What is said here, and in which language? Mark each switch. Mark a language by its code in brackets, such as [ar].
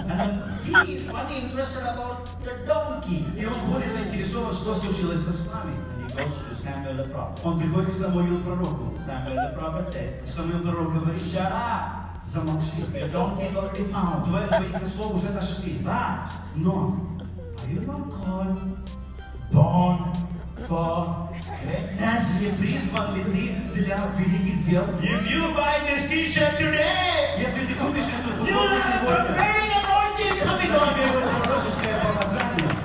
[en] And he is only interested about the donkey. [ru] И он более заинтересован, что случилось со слами. [en] And he goes to Samuel the prophet. [ru] Он приходит к Самуилу пророку. [en] Samuel the prophet says. [ru] Самуил пророк говорит. [en] Shut up. [ru] Замолчи. [en] The donkey already found. [ru] Твои слова уже нашли. [en] But. [ru] Но. [en] Are you not called? Born. For greatness. [ru] Не призван ли ты для великих дел? [en] If you buy this t-shirt today, [ru] если ты купишь эту футболку, [en] you'll have a prophetic anointing coming on you.